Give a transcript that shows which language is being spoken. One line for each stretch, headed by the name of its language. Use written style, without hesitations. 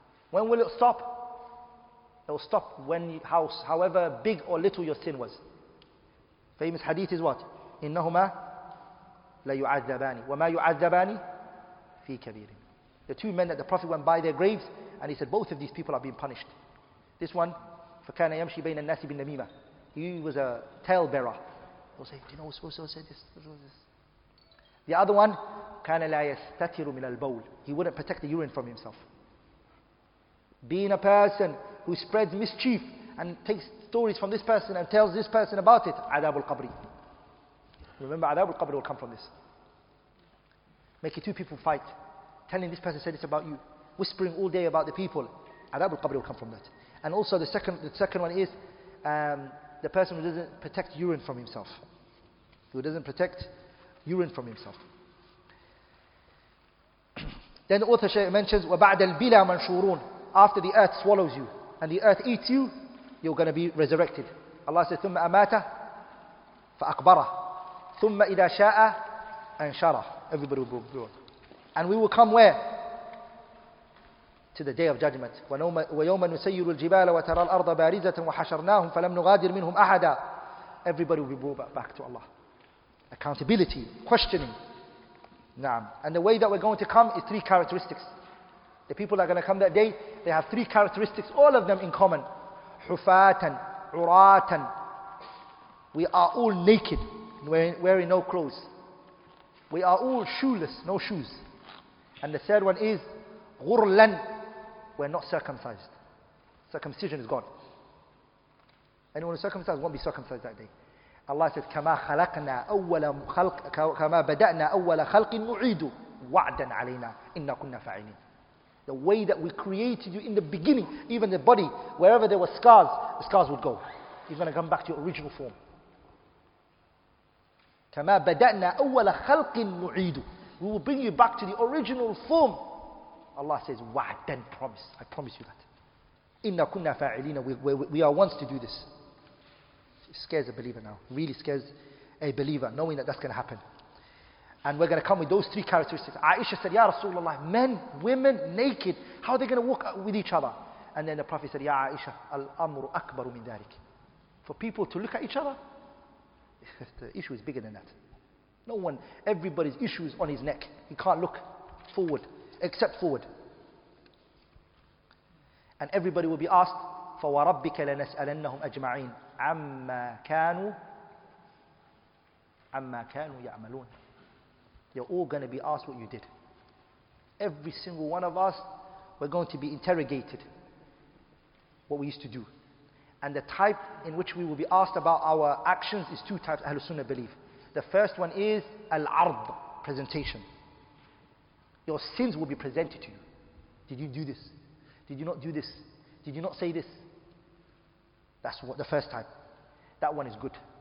English: When will it stop? It will stop when however big or little your sin was. Famous hadith is what?
Arabic: Innahuma la yu'adzabani. Wa ma yu'adzabani fi kabirin.
English: The two men that the Prophet went by their graves, and he said, both of these people are being punished. This one,
Arabic: فَكَانَ يَمْشِي بَيْنَ النَّاسِ بِالنَّمِيمَةِ.
English: He was a tale bearer. He'll say, do you know what so-and-so said this? The other one,
Arabic: كَانَ لَا يَسْتَتِرُ مِنَ الْبَوْلِ.
English: He wouldn't protect the urine from himself. Being a person who spreads mischief and takes stories from this person and tells this person about it, عَذَابُ الْقَبْرِ. Remember, عَذَابُ الْقَبْرِ will come from this. Making two people fight, telling this person said this about you, whispering all day about the people, عَذَابُ الْقَبْرِ will come from that. And also the second one is the person who doesn't protect urine from himself. Who doesn't protect urine from himself. Then the author mentions,
Arabic: وَبَعْدَ الْبِلَى مَنْشُورُونَ.
English: After the earth swallows you and the earth eats you, you're going to be resurrected. Allah says,
Arabic: ثُمَّ أَمَاتَ فَأَقْبَرَ ثُمَّ إِذَا شَاءَ أَنْشَرَ.
English: Everybody will be born. And we will come where? To the day of judgment.
Arabic: وَيَوْمَ نُسَيِّرُ الْجِبَالَ وَتَرَى الْأَرْضَ بَارِزَةً وَحَشَرْنَاهُمْ فَلَمْ نُغَادِرْ مِنْهُمْ أَحَدًا.
English: Everybody will be brought back to Allah. Accountability, questioning. Naam. And the way that we're going to come is three characteristics. The people that are going to come that day, they have three characteristics, all of them in common. Hufatan, uratan. We are all naked, wearing no clothes. We are all shoeless, no shoes. And the third one is ghurlan. We're not circumcised. Circumcision is gone. Anyone who's circumcised won't be circumcised that day. Allah says,
Arabic: كَمَا خَلَقْنَا أَوَّلَ خَلْقٍ كَمَا بَدَأْنَا أَوَّلَ خَلْقٍ نُعِيدُ وَعْدًا عَلَيْنَا إِنَّا كُنَّا فَعِينِينَ.
English: The way that we created you in the beginning, even the body, wherever there were scars, the scars would go. You're going to come back to your original form.
Arabic: كَمَا بَدَأْنَا أَوَّلَ خَلْقٍ نُعِيدُ.
English: We will bring you back to the original form. Allah says, وَعْدًا. Promise. I promise you that.
Arabic: إِنَّا كُنَّا فَاعِلِينَ.
English: We are ones to do this. It scares a believer now. It really scares a believer, knowing that that's going to happen. And we're going to come with those three characteristics. Aisha said, Ya Rasulullah, men, women, naked, how are they going to walk with each other? And then the Prophet said, Ya Aisha,
Arabic: Al-Amru Akbaru Min Dharik.
English: For people to look at each other, the issue is bigger than that. No one, everybody's issue is on his neck. He can't look forward, except forward. And everybody will be asked,
Arabic: فَوَرَبِّكَ لَنَسْأَلَنَّهُمْ أَجْمَعِينَ عَمَّا كَانُوا يَعْمَلُونَ.
English: You're all going to be asked what you did. Every single one of us, we're going to be interrogated. What we used to do. And the type in which we will be asked about our actions is two types, Ahlul Sunnah believe. The first one is Al-Ard, presentation. Your sins will be presented to you. Did you do this? Did you not do this? Did you not say this? That's what the first type. That one is good.